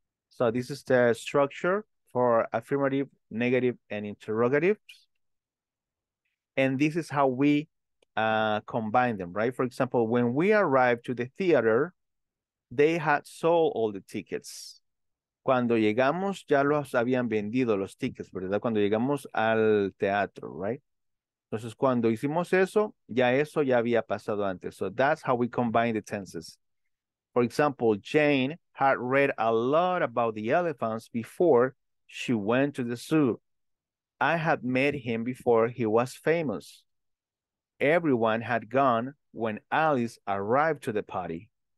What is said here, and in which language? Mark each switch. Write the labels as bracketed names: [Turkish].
[English] So this is the structure for affirmative, negative, and interrogatives. And this is how we combine them, right? For example, when we arrived to the theater, they had sold all the tickets. [Spanish] Cuando llegamos, ya los habían vendido los tickets, ¿verdad? Cuando llegamos al teatro, right? Entonces, cuando hicimos eso ya había pasado antes. [English] So that's how we combine the tenses. For example, Jane had read a lot about the elephants before she went to the zoo. I had met him before he was famous. Everyone had gone when Alice arrived to the party.